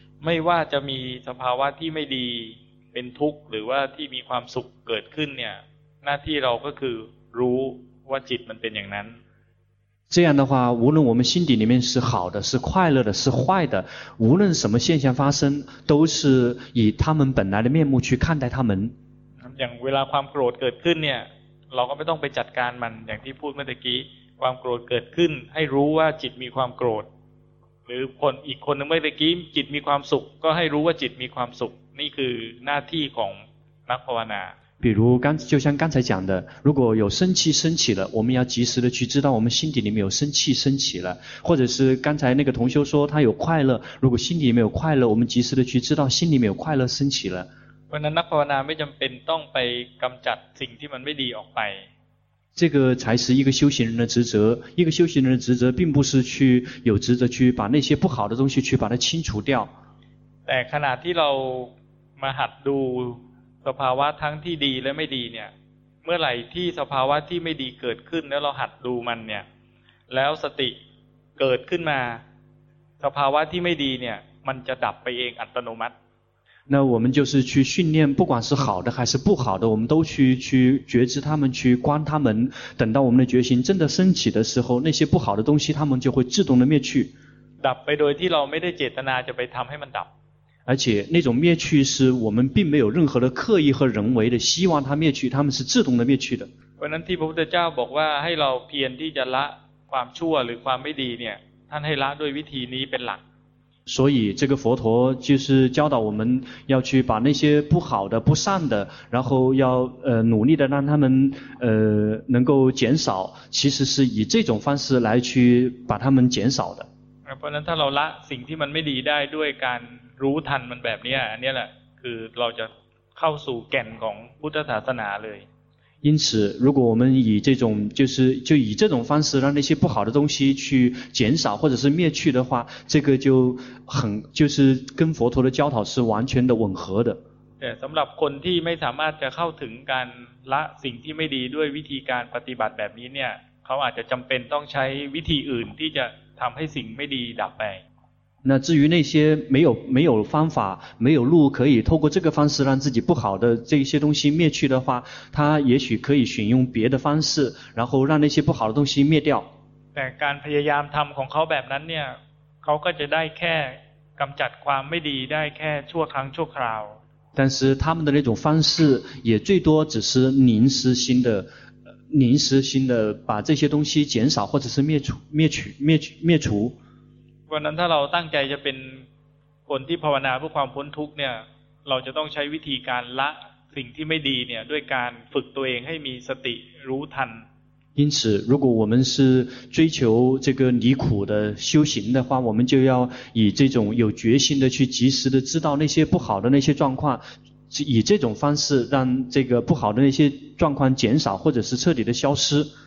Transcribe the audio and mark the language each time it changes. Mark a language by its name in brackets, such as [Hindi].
[Thai] ไม่ว่าจะมีสภาวะที่ไม่ดีเป็นทุกข์หรือว่าที่มีความสุขเกิดขึ้นเนี่ยหน้าที่เราก็คือรู้ว่าจิตมันเป็นอย่างนั้น [Chinese] 这样的话无论我们心底里面是好的是快乐的是坏的无论什么现象发生都是以他们本来的面目去看待他们 [Thai] อย่างเวลาความโกรธเกิดขึ้นเนี่ยเราก็ไม่ต้องไปจัดการมันอย่างที่พูดเมื่อกี้ความโกรธเกิดขึ้นให้รู้ว่าจิตมีความโกรธหรือคนอีกคนนึงเมื่อกี้จิตมีความสุขก็ให้รู้ว่าจิตมีความสุขนี่คือหน้าที่ของนักภาวนา [Chinese] 比如就像刚才讲的如果有生气升起了我们要及时的去知道我们心底里面有生气升起了或者是刚才那个同修说他有快乐如果心底里面有快乐我们及时的去知道心里面有快乐升起了 [Thai] เพราะนั้นนักภาวนาไม่จำเป็นต้องไปกำจัดสิ่งที่มันไม่ดีออกไป [Chinese] 这个才是一个修行人的职责一个修行人的职责并不是去有职责去把那些不好的东西去把它清除掉 [Thai] แต่ขณะที่เรามาหัดดูสภาวะทั้งที่ดีและไม่ดีเนี่ยเมื่อไหร่ที่สภาวะที่ไม่ดีเกิดขึ้นแล้วเราหัดดูมันเนี่ยแล้วสติเกิดขึ้นมาสภาวะที่ไม่ดีเนี่ยมันจะดับไปเองอัตโนมัติ [Chinese] 那我们就是去训练不管是好的还是不好的我们都去觉知他们去观他们等到我们的决心真的升起的时候那些不好的东西他们就会自动的灭去 [Thai] ดับไปโดยที่เราไม่ได้เจตนาจะไปทำให้มันดับ [Chinese] 而且那种灭去是我们并没有任何的刻意和人为的希望它灭去它们是自动的灭去的 [Thai] เพราะนั้นที่พระพุทธเจ้าบอกว่าให้เราเพียรที่จะละความชั่วหรือความไม่ดีเนี่ยท 他ให้ละด้วยวิธีนี้เป็นหลัก [Chinese] 所以这个佛陀就是教导我们要去把那些不好的不善的然后要努力的让他们能够减少其实是以这种方式来去把他们减少的 [Thai] เพราะฉะนั้นถ้าเราละสิ่งที่มันไม่ดีได้ด้วยการรู้ทันมันแบบนี้อันนี้แหละคือเราจะเข้าสู่แก่นของพุทธศาสนาเลย [Chinese] 因此如果我们以这种就是就以这种方式让那些不好的东西去减少或者是灭去的话这个就很就是跟佛陀的教导是完全的吻合的对 [Thai] สำหรับคนที่ไม่สามารถจะเข้าถึงการละสิ่งที่ไม่ดีด้วยวิธีการปฏิบัติแบบนี้เนี่ยเขาอาจจะจำเป็นต้องใช้วิธีอื่นที่จะทำให้สิ่งไม่ดีดับไป [Chinese] 那至于那些没有方法没有路可以透过这个方式让自己不好的这些东西灭去的话他也许可以选用别的方式然后让那些不好的东西灭掉 [Thai] แต่การพยายามทำของเขาแบบนั้นเนี่ยเขาก็จะได้แค่กำจัดความไม่ดีได้แค่ชั่วครั้งชั่วคราว [Chinese] 但是他们的那种方式也最多只是临时性的临时性的把这些东西减少或者是灭除 [Thai] เพราะนั้นถ้าเราตั้งใจจะเป็นคนที่ภาวนาเพื่อความพ้นทุกข์เนี่ยเราจะต้องใช้วิธีการละสิ่งที่ไม่ดีเนี่ยด้วยการฝึกตัวเองให้มีสติรู้ทัน [Chinese] 因此如果我们是追求这个离苦的修行的话我们就要以这种有决心的去及时的知道那些不好的那些状况以这种方式让这个不好的那些状况减少或者是彻底的消失